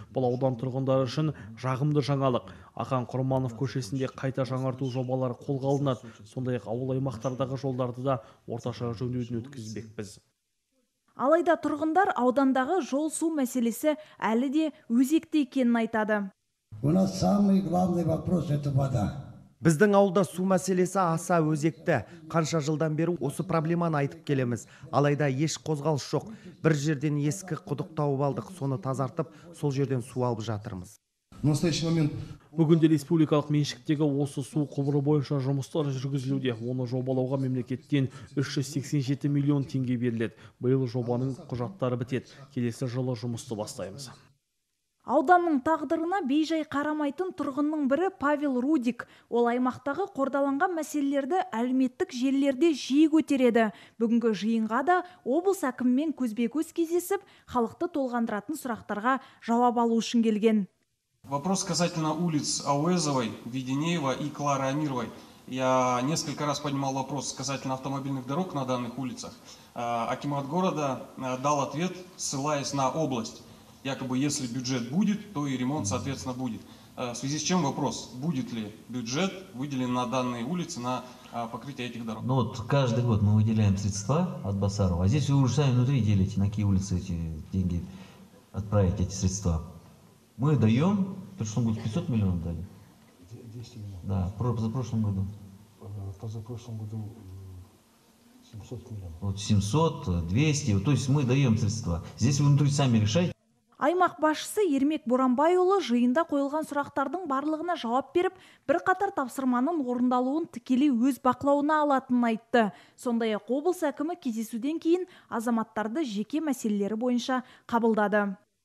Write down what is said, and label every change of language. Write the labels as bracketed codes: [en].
[kk] Бұл аудан тұрғындары үшін жағымды жаңалық. Ақан Құрманов көшесінде қайта жаңарту жобалары қолға алынады. Сондай-ақ ауыл аймақтардағы жолдарды да орташа жөндеуден өткізбекпіз. Алайда тұрғындар аудандағы жол су мәселесі әлі де өзекті екенін айтады. [ru] У нас самый главный вопрос это вода. [kk] Біздің ауылда су мәселесі аса өзекті. Қанша жылдан бері осы проблеманы айтып келеміз. Алайда еш қозғалыс жоқ. Бір жерден ескі құдық тауып алдық, соны тазартып, сол жерден су алып жатырмыз. Бүгінде республикалық меншіктегі осы су құбыры бойынша жұмыстар жүргізілуде. Оны жобалауға мемлекеттен 387 миллион теңге беріледі. Биыл жобаның құжаттары бітеді. Келесі жылы жұмысты бастаймыз. Ауданның тағдырына бейжай қарамайтын тұрғынның бірі Павел Рудик. Ол аймақтағы қордаланған мәселелерді әлеуметтік желілерде жиі көтереді. Бүгінгі жиынға да облыс әкімімен көзбе-көз кездесіп, халықты толғандыратын сұрақтарға жауап алу үшін келген. [ru] Вопрос касательно улиц Ауэзовой, Веденеева и Клары Амировой. Я несколько раз поднимал вопрос касательно автомобильных дорог на данных улицах. Акимат города дал ответ, ссылаясь на область. Якобы, если бюджет будет, то и ремонт, соответственно, будет. В связи с чем вопрос, будет ли бюджет выделен на данные улицы на покрытие этих дорог? Ну вот каждый год мы выделяем средства от Басарова. А здесь вы уже сами внутри делите, на какие улицы эти деньги отправить, эти средства. Мы даем, в прошлом году 500 миллионов дали. 200 миллионов. Да, за прошлым годом. Позапрошлым году 700 миллионов. Вот 700, 200, вот, то есть мы даем средства. Здесь вы внутри сами решаете. [kk] Аймақ басшысы Ермек Боранбайұлы жиында қойылған сұрақтардың барлығына жауап беріп, бір қатар тапсырманың орындалуын тікелей өз бақылауына алатынын айтты. Сондай-ақ облыс әкімі кездесуден кейін азаматтарды жеке мәселелері бойынша қабылдады.